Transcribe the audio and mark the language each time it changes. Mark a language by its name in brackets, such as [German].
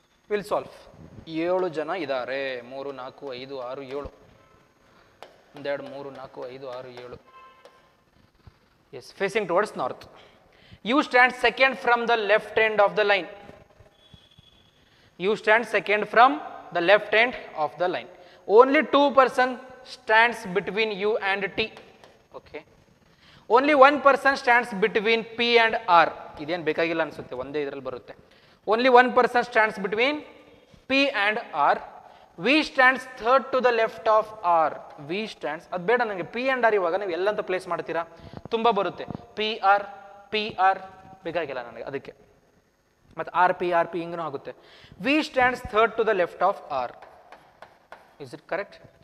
[Kannada] Will solve. ಏಳು ಜನ ಇದ್ದಾರೆ, ಮೂರು ನಾಲ್ಕು ಐದು ಆರು ಏಳು, ಒಂದೆರಡು ಮೂರು ನಾಲ್ಕು ಐದು ಆರು ಏಳು. [English] Yes, facing towards north. You stand second from the left end of the line. You stand second from the left end of the line. Only two person stands between you and T. Okay. Only one person stands between P and R. [Kannada] ಇದೇನು ಬೇಕಾಗಿಲ್ಲ ಅನಿಸುತ್ತೆ, ಒಂದೇ ಇದರಲ್ಲಿ ಬರುತ್ತೆ. [English] Only one person stands between P and R. V stands third to the left of R. V stands, [Kannada] ಅದು ಬೇಡ ನನಗೆ, P and R ಇವಾಗ ನೀವು ಎಲ್ಲಂತ ಪ್ಲೇಸ್ ಮಾಡ್ತೀರಾ, ತುಂಬ ಬರುತ್ತೆ. ಪಿ ಆರ್ ಪಿ ಆರ್ ಬೇಕಾಗಿಲ್ಲ ನನಗೆ ಅದಕ್ಕೆ. ಮತ್ತೆ ಆರ್ ಪಿ ಆರ್ ಪಿ ಹಿಂಗೂ ಆಗುತ್ತೆ. [English] V stands third to the left of R, is it correct?